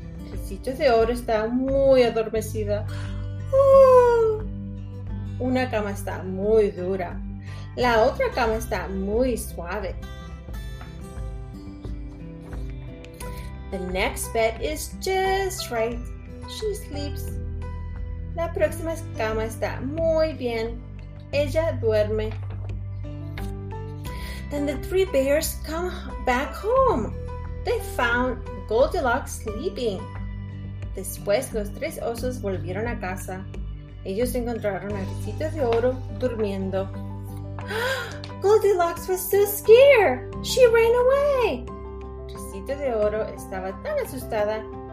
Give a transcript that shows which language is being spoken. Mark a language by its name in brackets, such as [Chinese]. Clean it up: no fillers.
[Spanish] Ricito de Oro está muy adormecida. Una cama está muy dura. La otra cama está muy suave. [English] The next bed is just right. She sleeps. [Spanish] La próxima cama está muy bien. Ella duerme. [English] Then the three bears come back home. They found Goldilocks sleeping. [Spanish] Después, los tres osos volvieron a casa. Ellos encontraron a Ricito de Oro durmiendo. [English] Goldilocks was so scared. She ran away. [Spanish] Ricito de Oro estaba tan asustada.